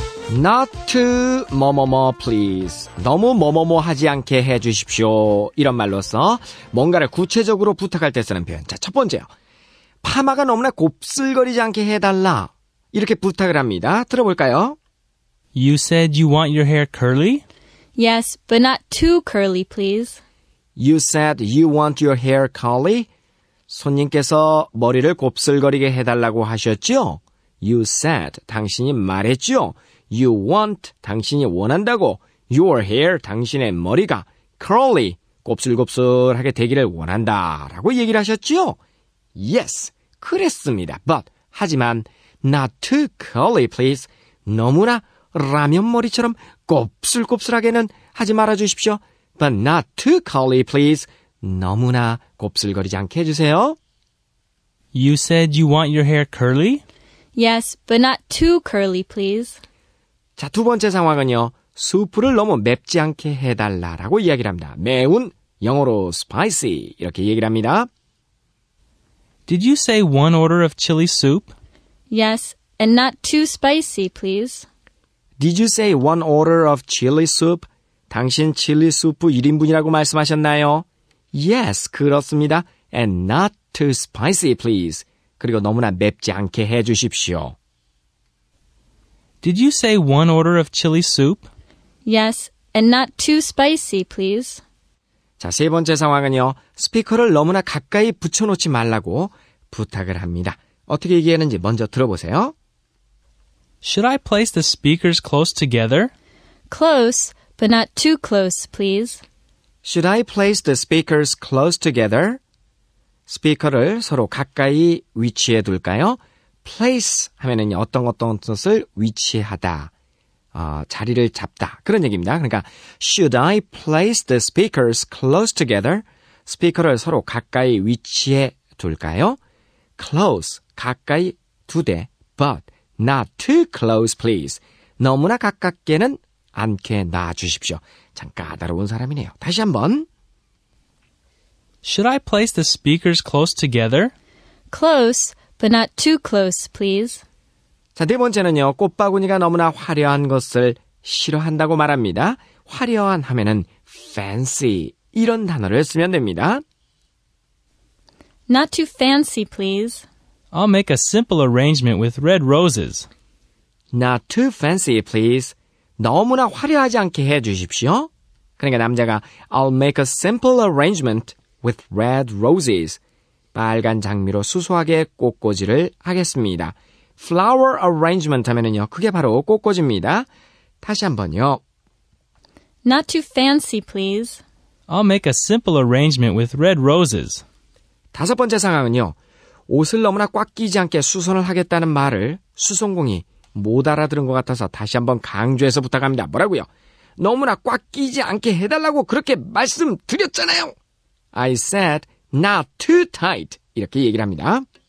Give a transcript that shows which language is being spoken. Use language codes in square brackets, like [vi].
[ko] 'Not to 뭐뭐뭐 please' 너무 뭐뭐뭐 하지 않게 해주십시오. 이런 말로써 뭔가를 구체적으로 부탁할 때 쓰는 표현. 자, 첫 번째요. 파마가 너무나 곱슬거리지 않게 해달라 이렇게 부탁을 합니다. 들어볼까요? [en] You said you want your hair curly? Yes, but not too curly, please. You said you want your hair curly? [ko] 손님께서 머리를 곱슬거리게 해달라고 하셨죠? [en] You said, [ko] 당신이 말했죠? [en] You want, [ko] 당신이 원한다고. Your hair, 당신의 머리가 curly, 곱슬곱슬하게 되기를 원한다. 라고 얘기를 하셨죠? [en] Yes, [ko] 그랬습니다. [en] But, [ko] 하지만, [en] not too curly, please. [ko] 너무나 라면 머리처럼 곱슬곱슬하게는 하지 말아주십시오. [en] But not too curly, please. [ko] 너무나 곱슬거리지 않게 해주세요. [en] You said you want your hair curly? Yes, but not too curly, please. [ko] 자, 두 번째 상황은요. 수프를 너무 맵지 않게 해달라라고 이야기를 합니다. 매운, 영어로 spicy 이렇게 얘기를 합니다. [en] Did you say one order of chili soup? Yes, and not too spicy, please. Did you say one order of chili soup? [ko] 당신 칠리 수프 1인분이라고 말씀하셨나요? Yes, 그렇습니다. [en] And not too spicy, please. [ko] 그리고 너무나 맵지 않게 해주십시오. [en] Did you say one order of chili soup? Yes, and not too spicy, please. [ko] 자, 세 번째 상황은요. 스피커를 너무나 가까이 붙여놓지 말라고 부탁을 합니다. 어떻게 얘기하는지 먼저 들어보세요. [en] Should I place the speakers close together? Close, but not too close, please. Should I place the speakers close together? [ko] 스피커를 서로 가까이 위치해 둘까요? Place 하면은 어떤 뜻을 위치하다. 자리를 잡다. 그런 얘기입니다. 그러니까 [en] Should I place the speakers close together? [ko] 스피커를 서로 가까이 위치해 둘까요? [en] Close, [ko] 가까이 두되 [en] But not too close, please. [ko] 너무나 가깝게는 않게 놔주십시오. 참 까다로운 사람이네요. 다시 한번 [en] Should I place the speakers close together? Close, but not too close, please. [ko] 자, 네 번째는요. 꽃바구니가 너무나 화려한 것을 싫어한다고 말합니다. 화려한 하면은 fancy 이런 단어를 쓰면 됩니다. [en] Not too fancy, please. I'll make a simple arrangement with red roses. Not too fancy, please. [ko] 너무나 화려하지 않게 해주십시오. 그러니까 남자가 [en] I'll make a simple arrangement with red roses. [ko] 빨간 장미로 수수하게 꽃꽂이를 하겠습니다. Flower arrangement 하면은요, 그게 바로 꽃꽂이입니다. 다시 한번요. [en] Not too fancy, please. I'll make a simple arrangement with red roses. [ko] 다섯 번째 상황은요, 옷을 너무나 꽉 끼지 않게 수선을 하겠다는 말을 수선공이 못 알아들은 것 같아서 다시 한번 강조해서 부탁합니다. 뭐라고요? 너무나 꽉 끼지 않게 해달라고 그렇게 말씀드렸잖아요. [en] I said not too tight. [ko] 이렇게 얘기를 합니다.